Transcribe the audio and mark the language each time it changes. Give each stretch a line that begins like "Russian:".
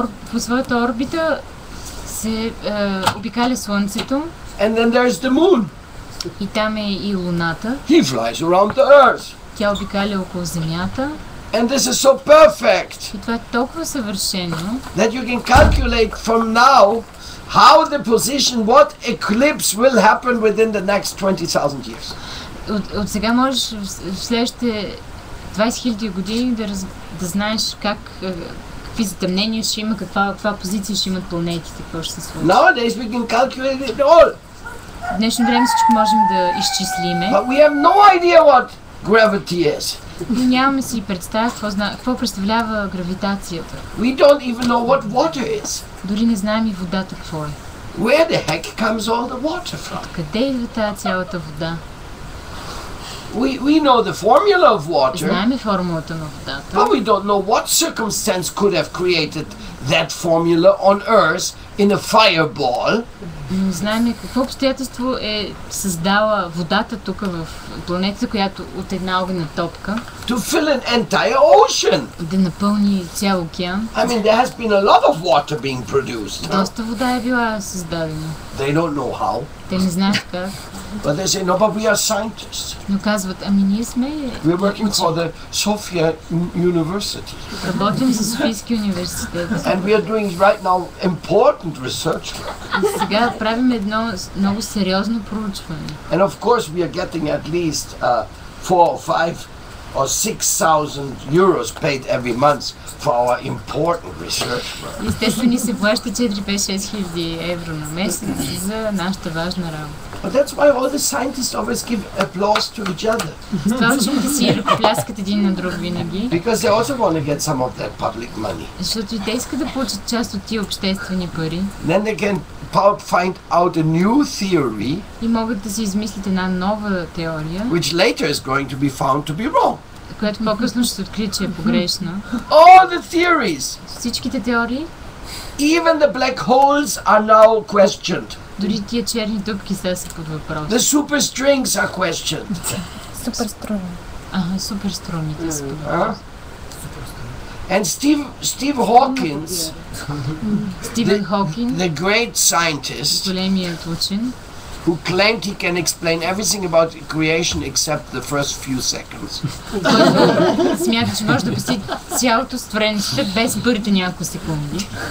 Bulgarian: По своята орбита се обикаля Слънцето.
English: And then there is the moon.
Bulgarian: И там е и Луната.
English: He flies around the Earth.
Bulgarian: Тя обикаля около Земята.
English: And this is so perfect.
Bulgarian: И това е толкова съвършено.
English: That you can calculate from now how the position, what eclipse will happen within the next 20,000 years.
Bulgarian: От сега можеш в следващите 20 000 години да знаеш как, какви затъмнения ще има, каква позиция ще имат планетите, какво ще се случи.
English: Nowadays we can calculate it all.
Bulgarian: В днешно време всичко можем да изчислиме.
English: But we have no idea what gravity is.
Bulgarian: Но нямаме си представя какво представлява гравитацията.
English: We don't even know what water is.
Bulgarian: Дори не знаем и водата какво е.
English: Where the heck comes all the water from?
Bulgarian: Откъде идва тази цялата вода?
English: We know the formula of water.
Bulgarian: Знаеме формулата на водата.
English: But we don't know what circumstance could have created that formula on Earth in a fireball.
Bulgarian: Не знаеме какво обстоятелство е създала водата тук в планетата, която от една огнена топка.
English: To fill an entire ocean.
Bulgarian: Да напълни цял океан.
English: I mean, there has been a lot of water being produced.
Bulgarian: Доста вода е била създадена.
English: They don't know how.
Bulgarian: Те не знаят как.
English: But they say, no, but we are scientists.
Bulgarian: Но казват, ами ние сме.
English: We're working for the Sofia University.
Bulgarian: Работим за Софийския университет.
English: And we are doing right now important research work.
Bulgarian: Сега правим едно много сериозно проучване.
English: And of course we are getting at least 4,000 or 5,000 or 6,000 euros paid every month for our important research work.
Bulgarian: Естествено ни се плаща 4-5-6 хиляди евро на месец за нашата важна работа.
English: But that's why all the scientists always give applause to each other.
Bulgarian: Защото си ръкопляскат един на друг винаги.
English: Because they also want to get some of that public money.
Bulgarian: Защото и те искат да получат част от тия обществени пари.
English: Then they can find out a new theory.
Bulgarian: И могат да си измислят една нова теория.
English: Which later is going to be found to be wrong.
Bulgarian: Която по-късно ще се открие, че е погрешна.
English: All the theories.
Bulgarian: Всичките теории.
English: Even the black holes are now questioned.
Bulgarian: Дори тия черни дупки сега са под въпрос.
English: The super strings are questioned.
Bulgarian: Супер струни. Ага, супер струните са под въпрос.
English: And Steve Hawkins, Stephen Hawking, the great scientist,
Bulgarian: големият учен,
English: who claimed he can explain everything about creation except the first few seconds.
Bulgarian: Смята, че може да обясни цялото створение без първите няколко секунди.